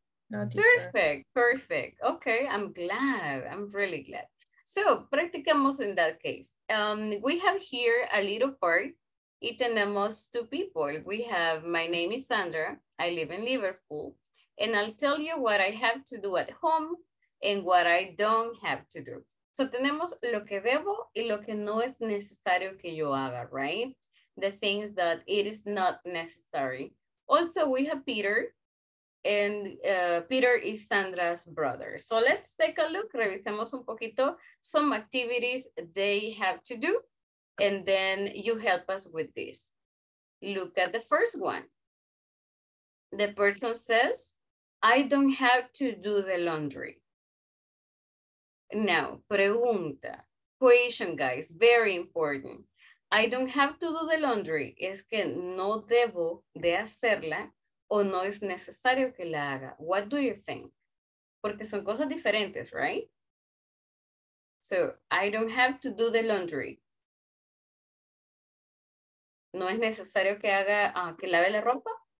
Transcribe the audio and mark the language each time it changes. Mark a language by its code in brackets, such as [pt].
[en] Perfect. Okay, I'm glad. I'm really glad. So, practicamos in that case. We have here a little part. [es] Y tenemos [en] two people. We have, my name is Sandra. I live in Liverpool. and I'll tell you what I have to do at home and what I don't have to do. [es] So tenemos lo que debo y lo que no es necesario que yo haga, right? [en] The things that it is not necessary. Also, we have Peter, and Peter is Sandra's brother. So let's take a look. [es] Revisemos un poquito [en] some activities they have to do, and then you help us with this. Look at the first one. The person says, I don't have to do the laundry. Now, pregunta, question, guys, very important. I don't have to do the laundry. [es] Es que no debo de hacerla o no es necesario que la haga. [en] What do you think? [es] Porque son cosas diferentes, [en] right? So, I don't have to do the laundry. [es] ¿No es necesario que haga, que lave la ropa?